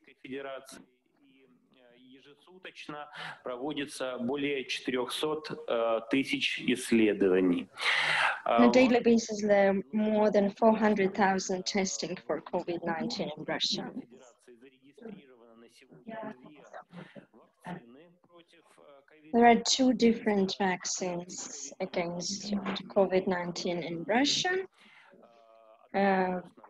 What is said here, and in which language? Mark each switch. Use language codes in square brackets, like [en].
[ru] Ежесуточно проводится более 400 000 исследований. [en] On a daily basis, there are more than 400,000 testing for COVID-19 in Russia. [ru] Зарегистрировано на сегодня две вакцины против [en] There are two different vaccines against COVID-19 in Russia.